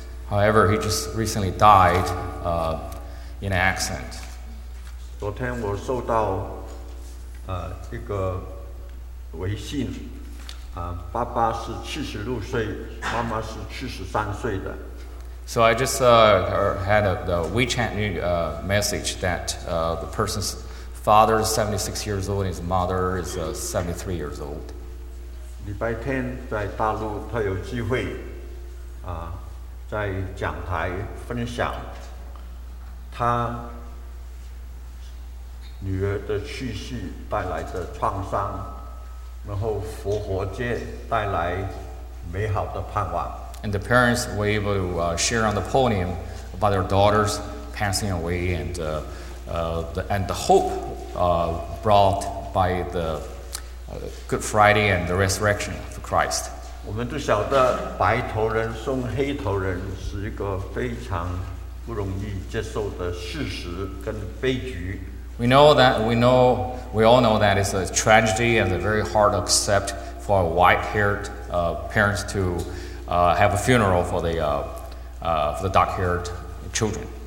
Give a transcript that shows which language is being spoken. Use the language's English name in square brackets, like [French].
[English] However, he just recently died in an accident. [Chinese] 昨天我收到一个微信，爸爸是76岁，妈妈是73岁的。 [English] So I just had the WeChat message that the person's father is 76 years old and his mother is 73 years old. [Chinese] 礼拜天在大陆他有机会在讲台分享他女儿的去世带来的创伤，然后复活节带来美好的盼望。 [English] And the parents were able to share on the podium about their daughter's passing away and the hope brought by the Good Friday and the resurrection of Christ. [Chinese] 我们都晓得白头人送黑头人是一个非常不容易接受的事实跟悲剧。 [English] We all know that it's a tragedy and a very hard accept for a white-haired parents to have a funeral for the dark-haired children.